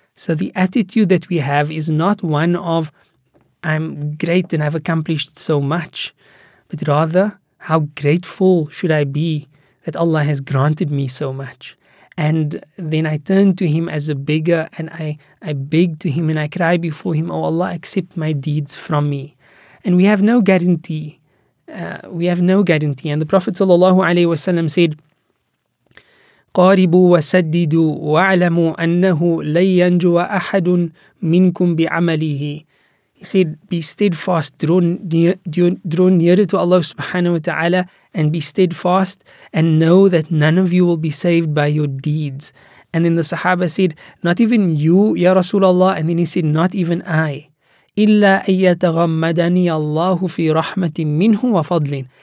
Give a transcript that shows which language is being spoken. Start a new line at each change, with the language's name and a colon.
English: So the attitude that we have is not one of, I'm great and I've accomplished so much, but rather, how grateful should I be that Allah has granted me so much? And then I turn to Him as a beggar, and I beg to Him and I cry before Him, oh Allah, accept my deeds from me. And we have no guarantee. And the Prophet ﷺ said,
Arabic: قَارِبُوا وَسَدِّدُوا وَعْلَمُوا أَنَّهُ لَنْ يَنْجُوَ أَحَدٌ مِّنْكُمْ بِعَمَلِهِ.
English: He said, be steadfast, draw nearer to Allah subhanahu wa ta'ala, and be steadfast, and know that none of you will be saved by your deeds. And then the Sahaba said, not even you, Ya Rasulullah. And then he said, not even I.
Arabic: إِلَّا أَيَّتَغَمَّدَنِي اللَّهُ فِي رَحْمَةٍ مِّنْهُ وَفَضْلٍ.